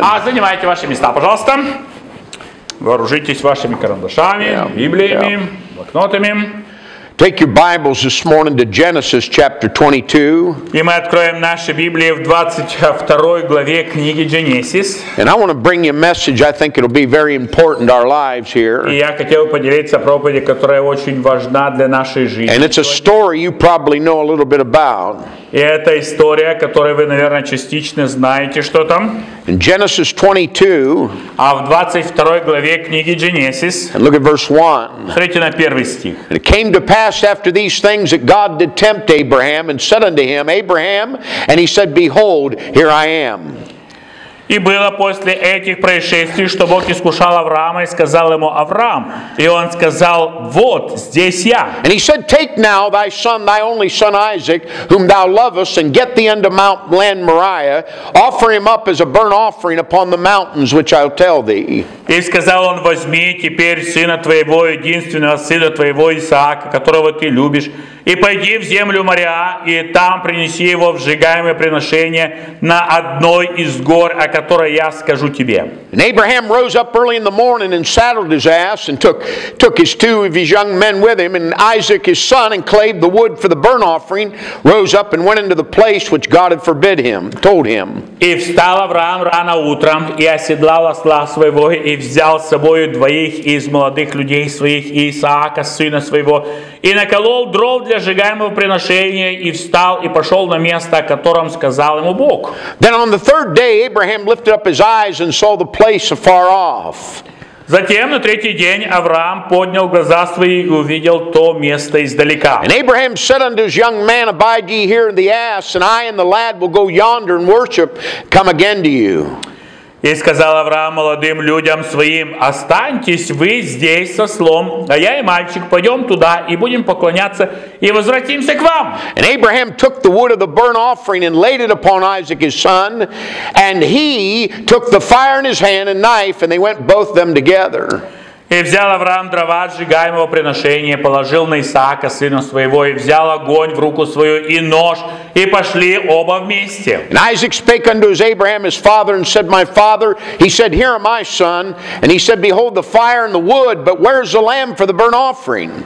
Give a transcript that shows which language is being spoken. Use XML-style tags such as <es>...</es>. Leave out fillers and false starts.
<ru>А занимайте ваши места, пожалуйста. Вооружитесь вашими карандашами, Библиями, блокнотами.</ru> <en>Take your Bibles this morning to Genesis chapter 22.</en> <ru>И мы откроем наши Библии в 22 главе книги Genesis.</ru> <en>And I want to bring you a message. I think it'll be very important to our lives here.</en> <ru>И я хотел поделиться проповедью, которая очень важна для нашей жизни.</ru> <en>And it's a story you probably know a little bit about.</en> <ru>И это история, о которой вы, наверное, частично знаете, что там.</ru> <en>In Genesis 22,</en> <ru>а в 22 главе книги Genesis,</ru> <en>and look at verse 1.</en> <ru>Смотрите на первый стих.</ru> <en>And it came to pass after these things that God did tempt Abraham and said unto him, Abraham, and he said, Behold, here I am.</en> <ru>И было после этих происшествий, что Бог искушал Авраама и сказал ему: Авраам. И он сказал: Вот здесь я.</ru> <en>And he said, Take now thy son, thy only son Isaac, whom thou lovest, and get thee unto Mount land Moriah, offer him up as a burnt offering upon the mountains which I'll tell thee.</en> <ru>И сказал он: Возьми теперь сына твоего, единственного сына твоего Исаака, которого ты любишь. И пойди в землю Мориа, и там принеси его в сжигаемое приношение на одной из гор, о которой я скажу тебе.</ru> <en>And Abraham rose up early in the morning and saddled his ass and took his two of his young men with him, and Isaac his son, and clave the wood for the burnt offering, rose up and went into the place which God had forbid him, told him.</en> <ru>И встал Авраам рано утром и оседлал осла своего и взял с собою двоих из молодых людей своих и Исаака сына своего и наколол дров для сжигаемого приношения и встал и пошел на место, о котором сказал ему Бог.</ru> <en>Then on the third day Abraham lifted up his eyes and saw the place afar off.</en> <ru>Затем на третий день Авраам поднял глаза свои и увидел то место издалека.</ru> <en>And Abraham said unto his young man, Abide ye here in the ass, and I and the lad will go yonder and worship, come again to you.</en> <ru>И сказал Авраам молодым людям своим, останьтесь вы здесь со слом, а я и мальчик пойдем туда и будем поклоняться и возвратимся к вам.</ru> <en>And Abraham took the wood of the burnt offering and laid it upon Isaac his son, and he took the fire in his hand and knife, and they went both them together.</en> <ru>И взял Авраам дрова сжигаемого приношения, положил на Исаака, сына своего, и взял огонь в руку свою и нож, и пошли оба вместе.</ru> <en>And Isaac spake unto his Abraham, his father, and said, My father, he said, Here am I, son. And he said, Behold the fire and the wood, but where is the lamb for the burnt offering?</en>